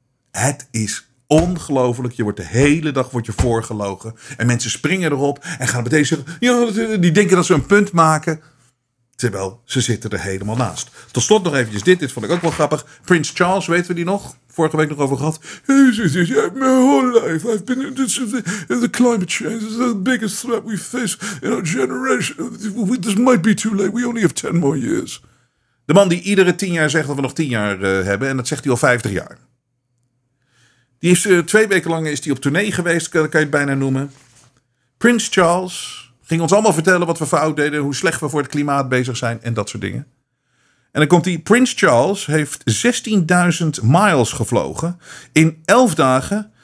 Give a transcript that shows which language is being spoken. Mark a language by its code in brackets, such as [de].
[nl] Het is ongelooflijk. Je wordt de hele dag wordt je voorgelogen. En mensen springen erop en gaan meteen zeggen, die denken dat ze een punt maken. Terwijl ze zitten er helemaal naast. Tot slot nog eventjes dit. Dit vond ik ook wel grappig. Prins Charles, weten we die nog? Vorige week nog over gehad. [en] Jezus, my whole life. I've been in the climate change. This is the biggest threat we face in our generation. This might be too late. We only have 10 more years. [nl] De man die iedere 10 jaar zegt dat we nog 10 jaar hebben. En dat zegt hij al 50 jaar. Die is 2 weken lang is die op tournee geweest. Kan je het bijna noemen. Prins Charles ging ons allemaal vertellen wat we fout deden. Hoe slecht we voor het klimaat bezig zijn. En dat soort dingen. En dan komt hij, Prins Charles heeft 16.000 miles gevlogen in 11 dagen.